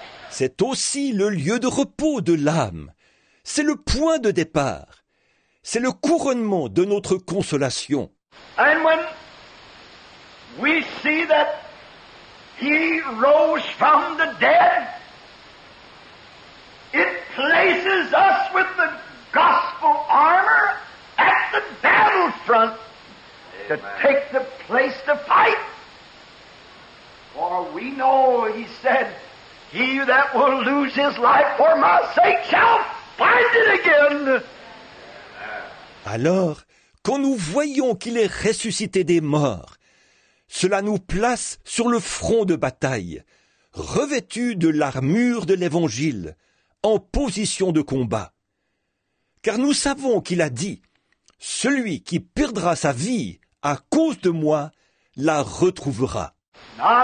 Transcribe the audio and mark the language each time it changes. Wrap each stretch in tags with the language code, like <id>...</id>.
<fr>C'est aussi le lieu de repos de l'âme. C'est le point de départ. C'est le couronnement de notre consolation.</fr> <en>And when we see that he rose from the dead, it places us with the gospel armor at the battlefront to take the place to fight. For we know, he said, he that will lose his life for my sake shall find it again.</en> <fr>Alors, quand nous voyons qu'il est ressuscité des morts, cela nous place sur le front de bataille, revêtus de l'armure de l'Évangile, en position de combat. Car nous savons qu'il a dit, « Celui qui perdra sa vie à cause de moi la retrouvera. »</fr>